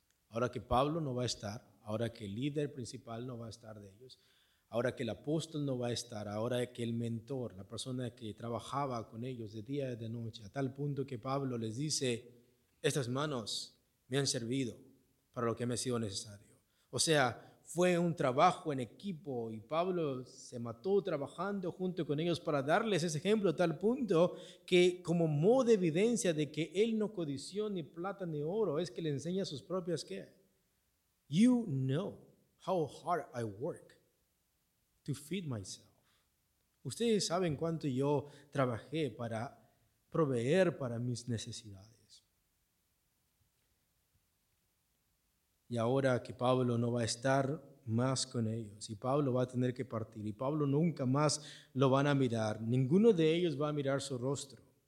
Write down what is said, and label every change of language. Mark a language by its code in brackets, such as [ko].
[es] Ahora que Pablo no va a estar, ahora que el líder principal no va a estar de ellos, ahora que el apóstol no va a estar, ahora que el mentor, la persona que trabajaba con ellos de día y de noche, a tal punto que Pablo les dice, estas manos me han servido para lo que me ha sido necesario. O sea, fue un trabajo en equipo y Pablo se mató trabajando junto con ellos para darles ese ejemplo a tal punto que como modo de evidencia de que él no codició ni plata ni oro, es que le enseña sus propias qué. [en] You know how hard I work to feed myself. [es] Ustedes saben cuánto yo trabajé para proveer para mis necesidades. Y ahora que Pablo no va a estar más con ellos, y Pablo va a tener que partir, y Pablo nunca más lo van a mirar, ninguno de ellos va a mirar su rostro.